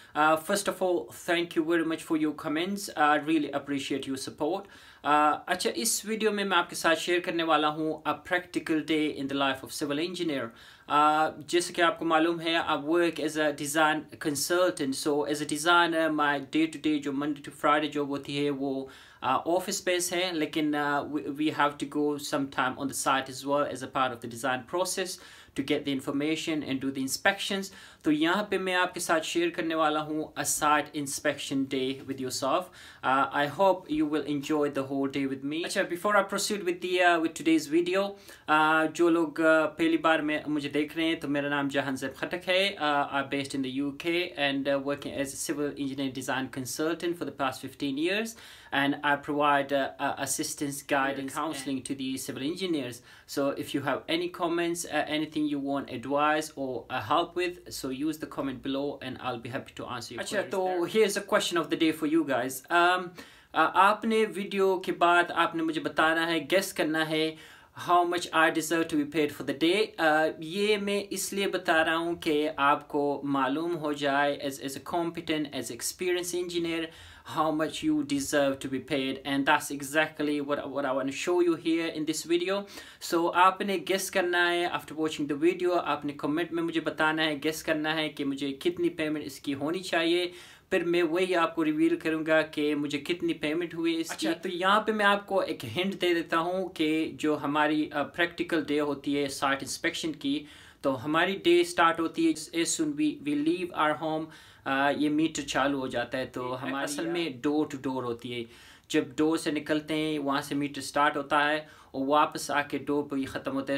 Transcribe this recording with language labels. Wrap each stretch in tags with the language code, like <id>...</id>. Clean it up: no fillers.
<en>First of all, thank you very much for your comments. I really appreciate your support.</en> <hi>अच्छा इस video में मैं आपके साथ शेयर करने वाला हूँ</hi> <en>A practical day in the life of civil engineer.</en> <hi>जैसे कि आपको मालूम है</hi> <en>I work as a design consultant. So as a designer my day to day</en> <hi>जो मंडे टू फ्राइडे जॉब होती है वो ऑफिस स्पेस है, लेकिन</hi> <en>We have to go some time on the site as well as a part of the design process to get the information and do the inspections.</en> <hi>तो यहाँ पे मैं आपके साथ शेयर करने वाला हूँ</hi> <en>A site inspection day with yourself. I hope you will enjoy the whole day with me. अच्छा before I proceed with the with today's video,</en> <hi>जो लोग पहली बार में मुझे देख रहे हैं तो मेरा नाम जहानजेब खटक है.</hi> <en>I based in the UK and working as a civil engineer design consultant for the past 15 years and I provide assistance guide and counselling to the civil engineers. So if you have any comments, anything you want advice और help with, so use the comment below and I'll be happy to answer your questions. Achha, so here's a question of the day for you guys.</en> <hi>Aapne video ke baad aapne mujhe batana hai, guess karna hai</hi> <en>how much I deserve to be paid for the day.</en> <hi>ye main isliye bata raha hu ke aapko maloom ho jaye</hi> <en>as a competent, as experienced engineer how much you deserve to be paid, and that's exactly what I want to show you here in this video.</en> <hi>So aapne guess karna hai</hi> <en>after watching the video,</en> <hi>aapne comment mein mujhe batana hai, guess karna hai ki mujhe kitni payment iski honi chahiye, फिर मैं वही आपको reveal करूंगा कि मुझे कितनी payment हुई इसकी. अच्छा, तो यहाँ पे मैं आपको एक हिंट दे देता हूँ कि जो हमारी प्रैक्टिकल डे होती है साइट इंस्पेक्शन की, तो हमारी डे स्टार्ट होती है</hi> <en>As soon we leave our home.</en> <hi>ये मीटर चालू हो जाता है, तो हमारे असल में डोर टू डोर होती है. जब डोर से निकलते हैं वहाँ से मीटर स्टार्ट होता है और वापस आके डोर पर ही ख़त्म होता है.</hi>